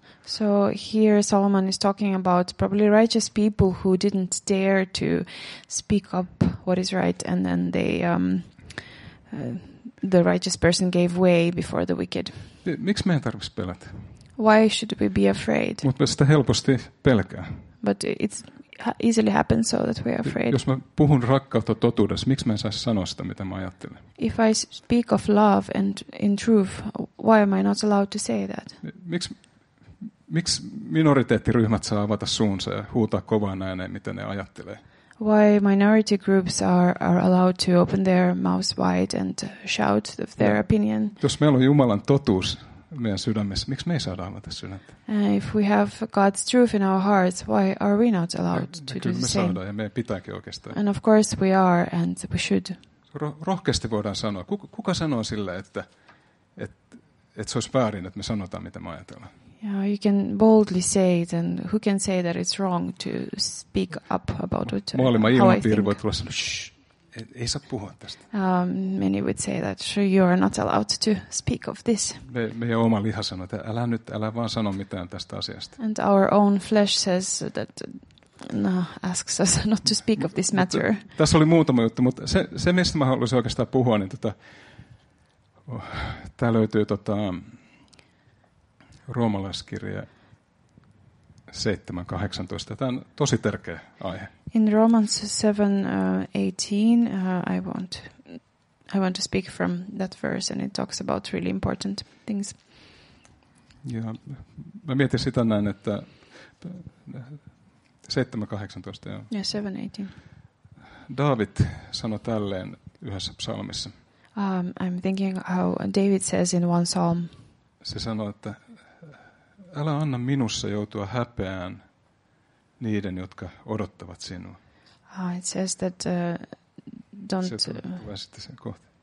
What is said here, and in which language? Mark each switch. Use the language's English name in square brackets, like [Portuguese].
[English] So here Solomon is talking about probably righteous people who didn't dare to speak up what is right, and then they the righteous person gave way before the wicked. [Finnish] Miksi meidän tarvitsisi pelätä? [English] Why should we be afraid? [Finnish] Mutta me sitä helposti pelkää. [English] But it easily happens so that we are afraid. [Finnish] Jos mä puhun rakkautta totuudessa, miksi mä en saisi sanoa sitä, mitä mä ajattelen? [English] If I speak of love and in truth, why am I not allowed to say that? [Finnish] Miksi minoriteettiryhmät saa avata suunsa ja huutaa kovaa ääneen, mitä ne ajattelee? [English] Why minority groups are allowed to open their mouths wide and shout their opinion? [Finnish] Jos meillä on Jumalan totuus meidän sydämessä, miksi me ei saada avata sydäntä? [English] If we have God's truth in our hearts, why are we not allowed to do the same? [Finnish] Me saadaan, ja meidän pitääkin oikeastaan. [English] And of course we are, and we should. [Finnish] Rohkeasti voidaan sanoa. Kuka sanoo sille, että se olisi väärin, että me sanotaan, mitä me ajatellaan? [English] Yeah, you can boldly say it, and who can say that it's wrong to speak up about it? [Finnish] Maailman ilmapiiri voi tulla sanoa, ei saa puhua tästä. [English] Many would say that you are not allowed to speak of this. [Finnish] Meidän oma liha sanoo, että älä vaan sano mitään tästä asiasta. [English] And our own flesh says that, asks us not to speak of this matter. [Finnish] Tässä oli muutama juttu, mutta se mistä mä haluaisin oikeastaan puhua, niin tää löytyy Roomalaiskirje 7:18. Tämä on tosi tärkeä aihe. [English] In Romans 7:18, I want I want to speak from that verse, and it talks about really important things. [Finnish] Ja mä mietin sitä näin, että 7:18 ja [English] 7:18. [Finnish] David sanoi tälleen yhdessä psalmissa. [English] I'm thinking how David says in one psalm. [Finnish] Se sanoi, että älä anna minussa joutua häpeään niiden, jotka odottavat sinua. [English] It says that don't. [Finnish] Se tulee sitten sen kohta.